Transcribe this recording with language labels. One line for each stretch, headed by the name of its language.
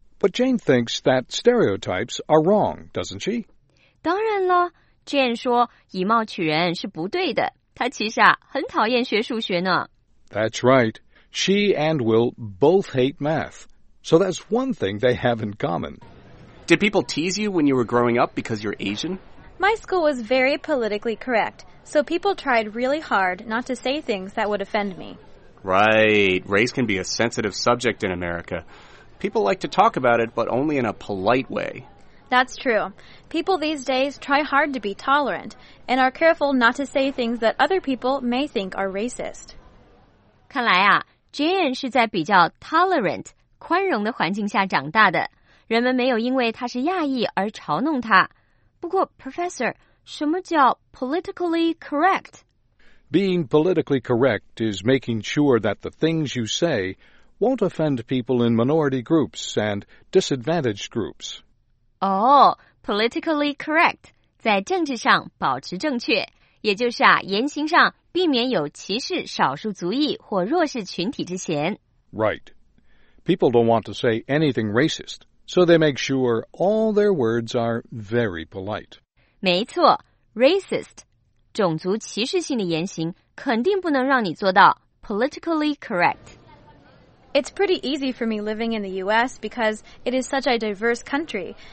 English: But Jane thinks that stereotypes are wrong, doesn't she?
Chinese: 当然了 ，Jane 说，以貌取人是不对的。他其实啊，很讨厌学数学呢。
English: That's right. She and Will both hate math. So that's one thing they have in common. Did people tease you when you were growing up because you're Asian? My school was very politically correct, so people tried really hard not to say things that would offend me. Right. Race can be a sensitive subject in America. People like to talk about it, but only in a polite way. That's true. People these days try hard to be tolerant and are careful not to say things that other people may think are racist.
Chinese: 看来啊 ,Jane 是在比较 tolerant, 宽容的环境下长大的。人们没有因为他是亚裔而嘲弄他。不过 ,Professor, 什么叫
English: politically correct? Being politically correct is making sure that the things you say won't offend people in minority groups and disadvantaged groups. Oh, politically correct.
Chinese: 在政治上保持正确，也就是啊，言行上避免有歧视少数族裔或弱势群体之嫌。
English: Right. People don't want to say anything racist, so they make sure all their words are very polite.
Chinese: 没错 ,racist, 种族歧视性的言行肯定不能让你做到
English: politically correct. It's pretty easy for me living in the U.S. because it is such a diverse country.